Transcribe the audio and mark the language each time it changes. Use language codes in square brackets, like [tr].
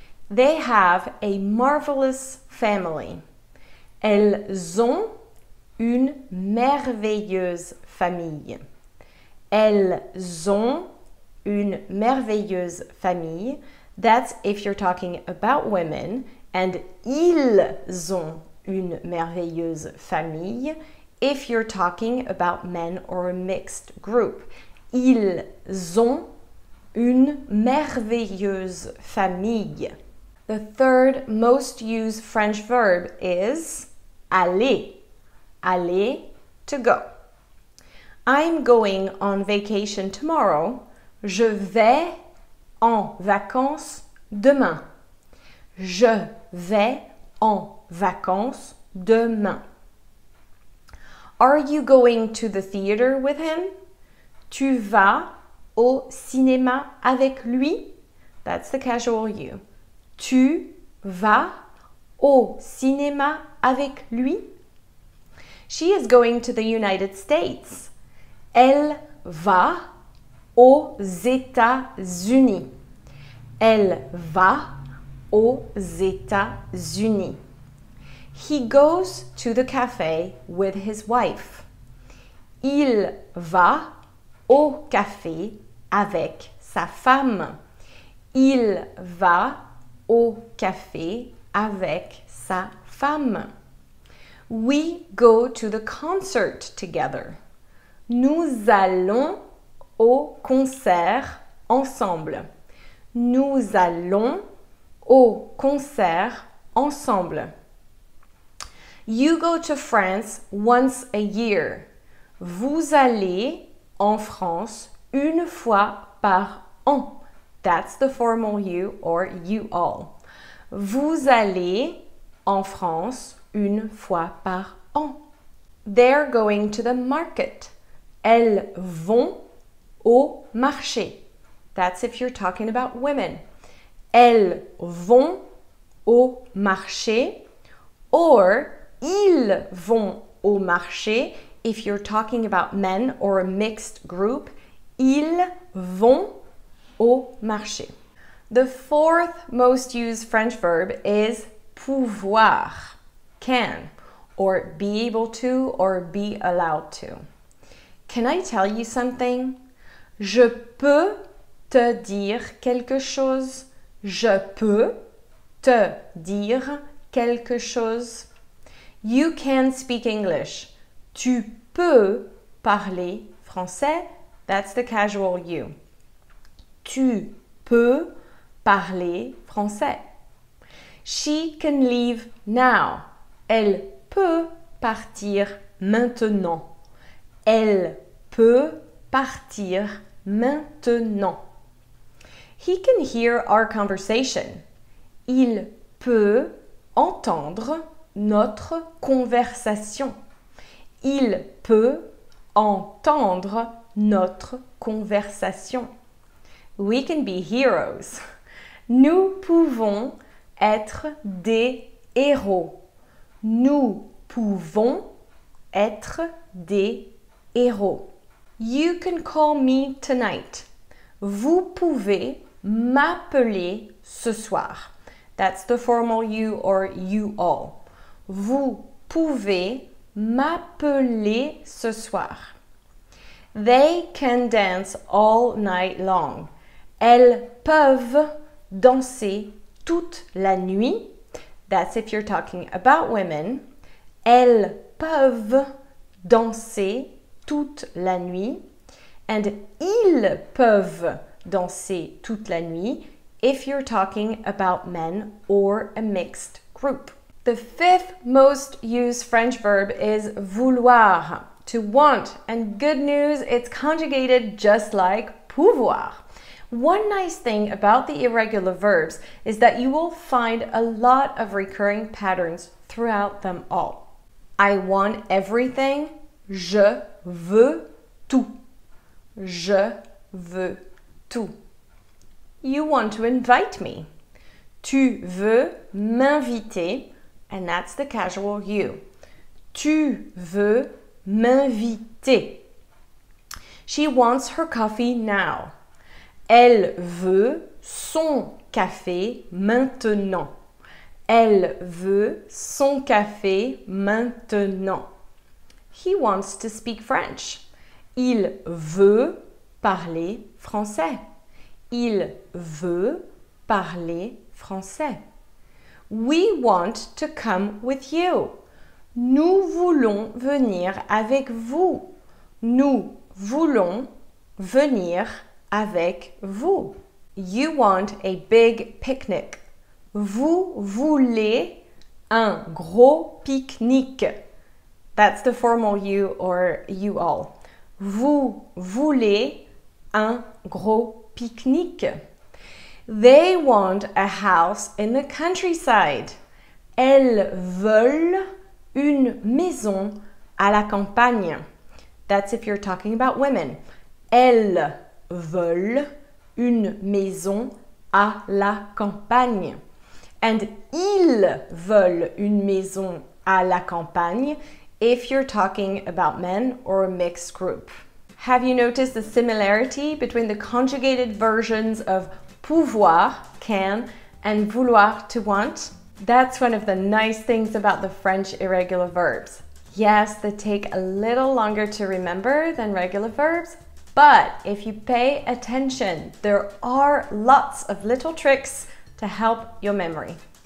[en] They have a marvelous family. [fr] Elles ont une merveilleuse famille. Elles ont une merveilleuse famille. [en] That's if you're talking about women. And [fr] ils ont une merveilleuse famille [en] if you're talking about men or a mixed group. [fr] Ils ont une merveilleuse famille. [en] The third most used French verb is aller. Aller, to go. I'm going on vacation tomorrow. [fr] Je vais en vacances demain. Je vais en vacances demain. [en] Are you going to the theater with him? [fr] Tu vas au cinéma avec lui? [en] That's the casual you. [fr] Tu vas au cinéma avec lui? [en] She is going to the United States. [fr] Elle va aux États-Unis. Elle va aux États-Unis. [en] He goes to the cafe with his wife. [fr] Il va au café avec sa femme. Il va au café avec sa femme. [en] We go to the concert together. [fr] Nous allons au concert ensemble. Nous allons au concert ensemble. [en] You go to France once a year. [fr] Vous allez en France une fois par an. [en] That's the formal you or you all. [fr] Vous allez en France une fois par an. [en] They're going to the market. [fr] Elles vont au marché. [en] That's if you're talking about women. [fr] Elles vont au marché. Or ils vont au marché. [en] If you're talking about men or a mixed group, [fr] ils vont au marché. [en] The fourth most used French verb is pouvoir, can, or be able to, or be allowed to. Can I tell you something? [fr] Je peux te dire quelque chose. Je peux te dire quelque chose. [en] You can speak English. [fr] Tu peux parler français. [en] That's the casual you. [fr] Tu peux parler français. [en] She can leave now. [fr] Elle peut partir maintenant. Elle peut partir maintenant. [en] He can hear our conversation. [fr] Il peut entendre notre conversation. Il peut entendre notre conversation. [en] We can be heroes. [fr] Nous pouvons être des héros. Nous pouvons être des héros. [en] You can call me tonight. [fr] Vous pouvez m'appeler ce soir. [en] That's the formal you or you all. [fr] Vous pouvez m'appeler ce soir. [en] They can dance all night long. [fr] Elles peuvent danser toute la nuit. [en] That's if you're talking about women. [fr] Elles peuvent danser toute la nuit. [en] And [fr] ils peuvent danser toute la nuit [en] if you're talking about men or a mixed group. The fifth most used French verb is vouloir, to want. And good news, it's conjugated just like pouvoir. One nice thing about the irregular verbs is that you will find a lot of recurring patterns throughout them all. I want everything. [fr] Je veux tout. Je veux tout. [en] You want to invite me. [fr] Tu veux m'inviter. [en] And that's the casual you. [fr] Tu veux m'inviter. [en] She wants her coffee now. [fr] Elle veut son café maintenant. Elle veut son café maintenant. [en] He wants to speak French. [fr] Il veut parler français. Il veut parler français. [en] We want to come with you. [fr] Nous voulons venir avec vous. Nous voulons venir avec vous. [en] You want a big picnic. [fr] Vous voulez un gros pique-nique. [en] That's the formal you or you all. [fr] Vous voulez un gros pique-nique. [en] They want a house in the countryside. [fr] Elles veulent une maison à la campagne. [en] That's if you're talking about women. [fr] Elles veulent une maison à la campagne. [en] And [fr] ils veulent une maison à la campagne [en] if you're talking about men or a mixed group. Have you noticed the similarity between the conjugated versions of pouvoir, can, and vouloir, to want? That's one of the nice things about the French irregular verbs. Yes, they take a little longer to remember than regular verbs, but if you pay attention, there are lots of little tricks to help your memory.